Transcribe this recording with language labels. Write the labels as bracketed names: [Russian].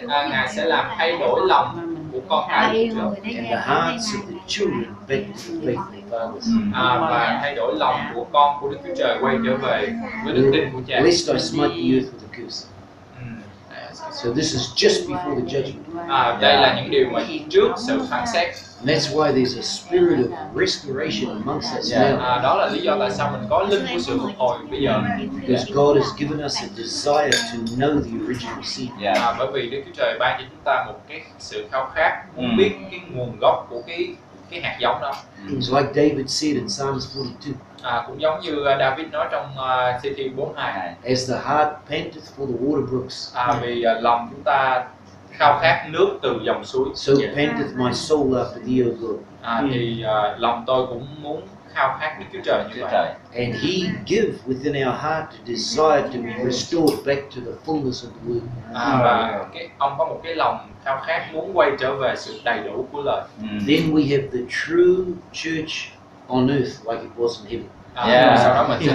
[Vietnamese] Ngài sẽ làm thay đổi lòng của con cái của Chúa. [English] And the hearts of the children back to the faith. [Vietnamese] Và thay đổi lòng của con của Đức Chúa Trời quay trở về với đức tin của cha. [English] Lest I smite the earth with a curse. So this is just before the judgment. [Vietnamese] Đây là những điều mà trước sự phán xét. [English] That's why there's a spirit of restoration amongst us now. [Vietnamese] Đó là lý do tại sao mình có linh của sự phục hồi bây giờ. [English] Because God has given us a desire to know the original seed. [Vietnamese] Bởi vì Đức Chúa Trời ban cho chúng ta một cái sự khao khát muốn biết cái nguồn gốc của cái hạt giống đó. [English] It's like David said in Psalms 42. [Vietnamese] Cũng giống như David nói trong Thi Thiên 42. [English] As the heart panteth for the water brooks. [Vietnamese] Vì lòng chúng ta khao khát nước từ dòng suối. [English] So panteth my soul after thee, O Lord. [Vietnamese] Thì lòng tôi cũng muốn khao khát Đức Chúa Trời như vậy. [English] And He give within our heart a desire to be restored back to the fullness of the word. [Vietnamese] Ông có một cái lòng khao khát muốn quay trở về sự đầy đủ của lời. [English] Then we have the true church on earth like it was in heaven.